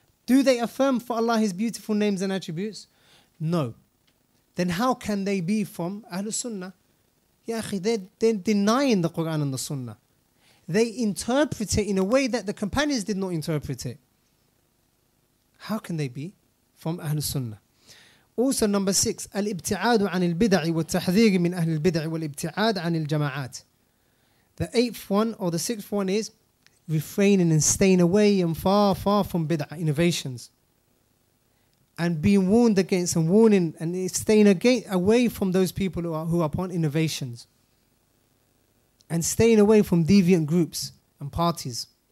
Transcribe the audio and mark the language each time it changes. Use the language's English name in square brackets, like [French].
[English] Do they affirm for Allah His beautiful names and attributes? No. Then how can they be from Ahlul Sunnah? Ya akhi, they're denying the Quran and the Sunnah. They interpret it in a way that the companions did not interpret it. How can they be from Ahlul Sunnah? Also number six, [Arabic] الابتعاد عن البدع والتحذير من أهل البدع والابتعاد عن الجماعات. [English] The eighth one or the sixth one is refraining and staying away and far from bid'ah, innovations. and being warned against and warning and staying away from those people who are upon innovations and staying away from deviant groups and parties.